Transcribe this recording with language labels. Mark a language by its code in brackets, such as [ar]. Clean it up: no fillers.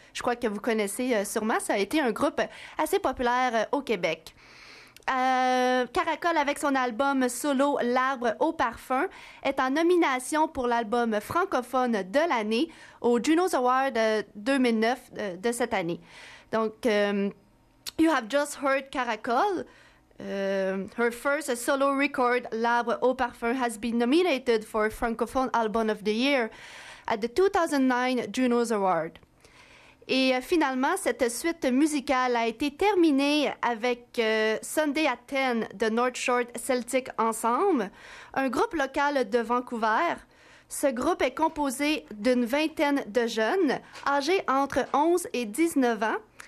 [fr] Je crois que vous connaissez sûrement, ça a été un groupe assez populaire au Québec. Caracol, avec son album solo « L'arbre au parfum », est en nomination pour l'album francophone de l'année au Juno's Award 2009 de cette année. [en] Donc, You Have Just Heard Caracol. Her first solo record, L'Arbre au Parfum, has been nominated for Francophone Album of the Year at the 2009 Juno's Award. [fr] Et finalement, cette suite musicale a été terminée avec Sunday at 10 de North Shore Celtic Ensemble, un groupe local de Vancouver. Ce groupe est composé d'une vingtaine de jeunes âgés entre 11 et 19 ans.